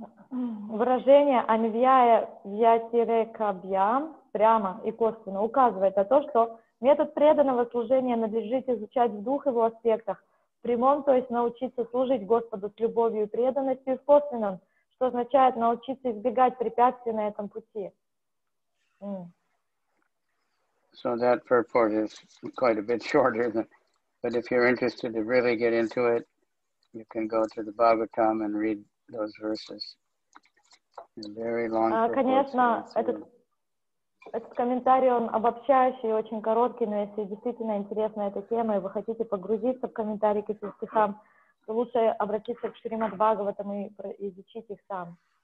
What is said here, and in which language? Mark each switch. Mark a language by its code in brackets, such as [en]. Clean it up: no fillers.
[ru] Выражение «анвьяя вьятирекабьям» прямо и косвенно указывает на то, что метод преданного служения надлежит изучать в двух его аспектах. В прямом, то есть научиться служить Господу с любовью и преданностью, и в косвенном, что означает научиться избегать препятствий на этом пути. [en] So that purport is quite a bit shorter, but if you're interested to really get into it, you can go to the Bhagavatam and read those verses. [ru] Конечно, этот комментарий, он обобщающий и очень короткий, но если действительно интересна эта тема, и вы хотите погрузиться в комментарий к этим стихам, то лучше обратиться к Шримад Бхагаватам и изучить их сам.